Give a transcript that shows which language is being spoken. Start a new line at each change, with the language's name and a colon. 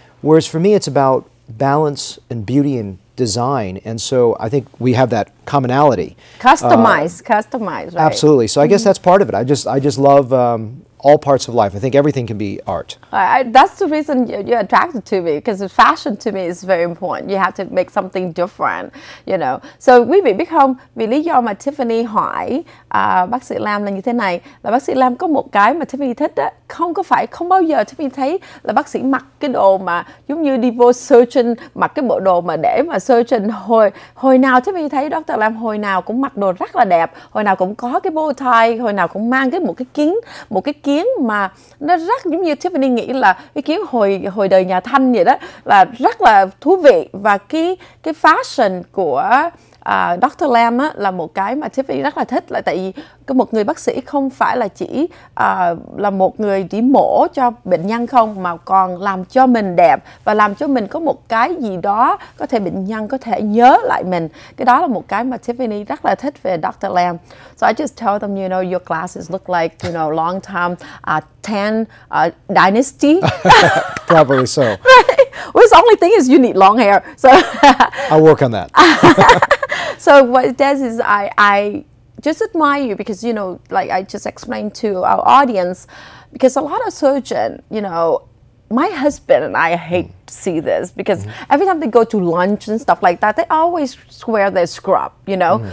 English: Whereas for me, it's about balance and beauty and design, and so I think we have that commonality. Customize, right? Absolutely. So I guess that's part of it. I just love all parts of life. I think everything can be art. That's the reason you're attracted to me, because fashion to me is very important. You have to make something different, you know.
Vietnamese: So quý vị biết không, vì lý do mà Tiffiny hỏi bác sĩ Lam là như thế này, là bác sĩ Lam có một cái mà Tiffiny thích đó. Không có phải, không bao giờ Tiffiny thấy là bác sĩ mặc cái đồ mà giống như đi vô surgeon, mặc cái bộ đồ mà để mà surgeon. Hồi nào Tiffiny thấy Dr. Lam hồi nào cũng mặc đồ rất là đẹp, hồi nào cũng có cái bow tie, hồi nào cũng mang cái một cái kiến mà nó rất giống như Tiffiny nghĩ là cái kiến hồi đời nhà Thanh vậy đó, là rất là thú vị. Và cái fashion của Dr. Lam á, là một cái mà Tiffiny rất là thích, là tại vì có một người bác sĩ không phải là chỉ là một người đi mổ cho bệnh nhân không, mà còn làm cho mình đẹp và làm cho mình có một cái gì đó có thể bệnh nhân có thể nhớ lại mình. Cái đó là một cái mà Tiffiny rất là thích về Dr. Lam.
English: So I just tell them, you know, your glasses look like, you know, long time tan dynasty. Probably so. Right? Well, the only thing is you need long hair. So I'll work on that. So what it does is I just admire you, because, you know, like I just explained to our audience, because a lot of surgeon, you know, my husband and I hate to see this, because every time they go to lunch and stuff like that, they always wear their scrub, you know.